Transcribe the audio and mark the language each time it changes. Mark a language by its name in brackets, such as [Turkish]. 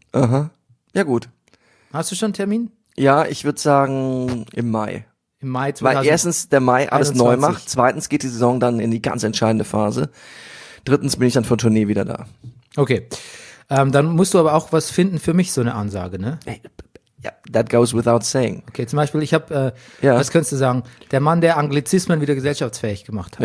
[German] Aha. Ja, gut. Hast du schon einen Termin? Ja, ich würde sagen im Mai. Im Mai 2021. Weil erstens der Mai alles 21. neu macht, zweitens geht die Saison dann in die ganz entscheidende Phase, drittens bin ich dann von Tournee wieder da. Okay, dann musst du aber auch was finden für mich, so eine Ansage, ne? Ey, ja, [English] that goes without saying. [German] Okay, zum Beispiel, ich habe, was könntest du sagen, der Mann, der Anglizismen wieder gesellschaftsfähig gemacht hat,